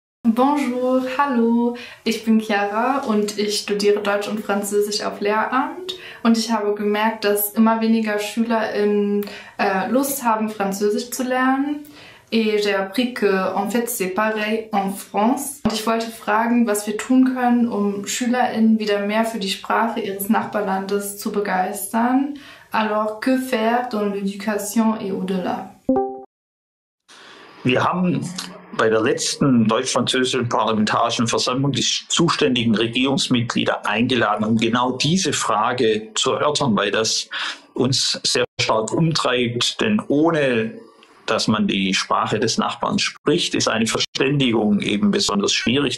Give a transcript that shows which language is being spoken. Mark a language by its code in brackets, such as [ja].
[de] Bonjour, hallo, ich bin Chiara und ich studiere Deutsch und Französisch auf Lehramt und ich habe gemerkt, dass immer weniger SchülerInnen Lust haben, Französisch zu lernen. [fr] Et j'ai appris que, en fait, c'est pareil en France. [de] Und ich wollte fragen, was wir tun können, um SchülerInnen wieder mehr für die Sprache ihres Nachbarlandes zu begeistern. [fr] Alors, que faire dans l'éducation et au-delà? [de] Wir haben bei der letzten deutsch-französischen Parlamentarischen Versammlung die zuständigen Regierungsmitglieder eingeladen, um genau diese Frage zu erörtern, weil das uns sehr stark umtreibt, denn ohne dass man die Sprache des Nachbarn spricht, ist eine Verständigung eben besonders schwierig.